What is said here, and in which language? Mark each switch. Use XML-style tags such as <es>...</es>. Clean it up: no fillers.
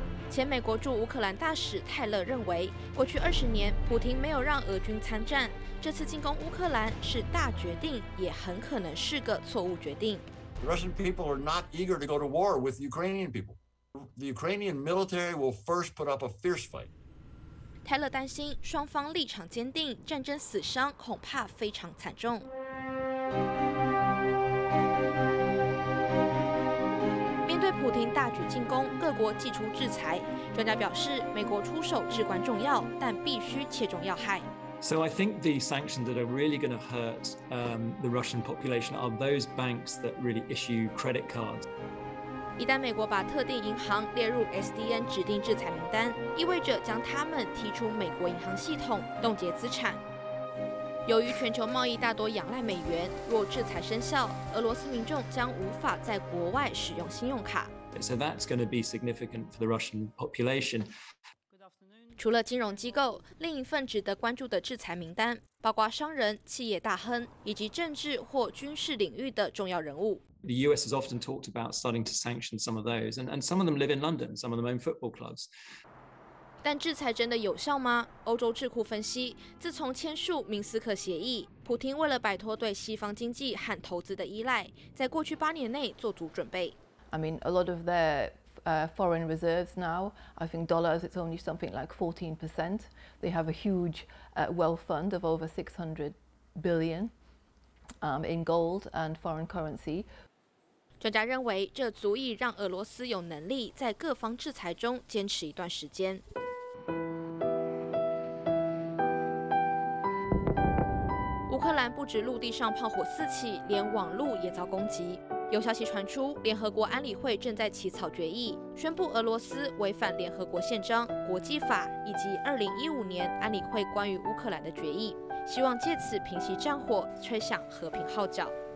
<zh>前美国驻乌克兰大使泰勒认为，过去20年，普廷没有让俄军参战，这次进攻乌克兰是大决定，也很可能是个错误决定。</zh> <en>The Russian people are not eager to go to war with Ukrainian people. The Ukrainian military will first put up a fierce fight.</en> <zh>泰勒担心双方立场坚定，战争死伤恐怕非常惨重。面对普丁大举进攻，各国祭出制裁，专家表示美国出手至关重要，但必须切中要害。</zh> <en>So I think the sanctions that are really going to hurt the Russian population are those banks that really issue credit cards.</en> <zh>一旦美国把特定银行列入 SDN 指定制裁名单，意味着将他们踢出美国银行系统，冻结资产。由于全球贸易大多仰赖美元，若制裁生效，俄罗斯民众将无法在国外使用信用卡。</zh> <en>So that's going to be significant for the Russian population.</en> <zh>除了金融机构，另一份值得关注的制裁名单包括商人、企业大亨以及政治或军事领域的重要人物。</zh> <en>The US has often talked about starting to sanction some of those, and some of them live in London, some of them own football clubs.</en> <zh>但制裁真的有效吗？欧洲智库分析，自从签署明斯克协议，普丁为了摆脱对西方经济和投资的依赖，在过去八年内做足准备。</zh> <en>I mean, a lot of foreign reserves now. I think dollars, it's only something like 14%. They have a huge wealth fund of over 600 billion in gold and foreign currency.</en> <zh>专家认为，这足以让俄罗斯有能力在各方制裁中坚持一段时间。乌克兰不止陆地上炮火四起，连网路也遭攻击。有消息传出，联合国安理会正在起草决议，宣布俄罗斯违反联合国宪章、国际法以及2015年安理会关于乌克兰的决议，希望借此平息战火，吹响和平号角。</zh>